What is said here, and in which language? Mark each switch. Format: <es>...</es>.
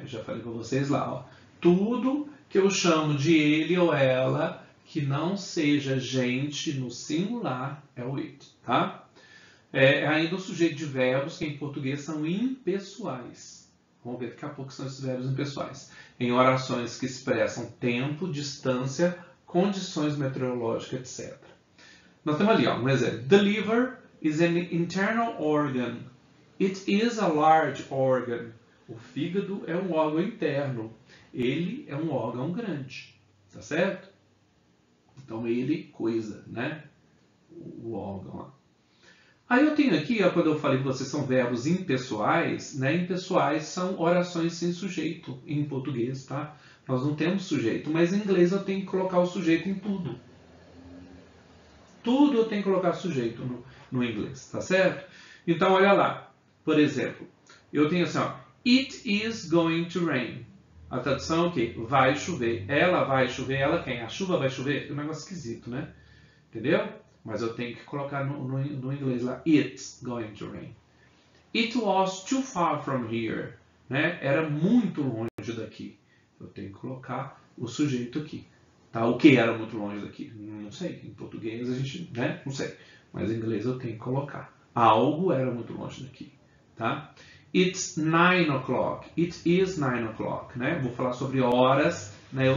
<pt>Eu já falei para vocês lá, ó. Tudo que eu chamo de ele ou ela que não seja gente no singular é o it, tá? É ainda o sujeito de verbos que em português são impessoais. Vamos ver daqui a pouco são esses verbos impessoais. Em orações que expressam tempo, distância, condições meteorológicas, etc. Nós temos ali, ó, um exemplo.</pt> <en>The liver is an internal organ. It is a large organ.</en> <pt>O fígado é um órgão interno. Ele é um órgão grande. Tá certo? Então, ele, coisa, né? O órgão, ó. Aí eu tenho aqui, ó, quando eu falei que vocês são verbos impessoais, né? Impessoais são orações sem sujeito em português, tá? Nós não temos sujeito, mas em inglês eu tenho que colocar o sujeito em tudo. Tudo eu tenho que colocar sujeito no inglês, tá certo? Então, olha lá. Por exemplo, eu tenho assim, ó,</pt> <en>it is going to rain.</en> <pt>A tradução é o quê? Vai chover. Ela vai chover. Ela quem? A chuva vai chover? É um negócio esquisito, né? Entendeu? Mas eu tenho que colocar no inglês lá,</pt> <en>it's going to rain. It was too far from here, né?</en> <pt>Era muito longe daqui. Eu tenho que colocar o sujeito aqui, tá? O que era muito longe daqui? Não sei. Em português a gente, né? Não sei. Mas em inglês eu tenho que colocar. Algo era muito longe daqui, tá?</pt> <en>It's 9 o'clock. It is 9 o'clock,</en> <pt>né? Vou falar sobre horas, né?</pt>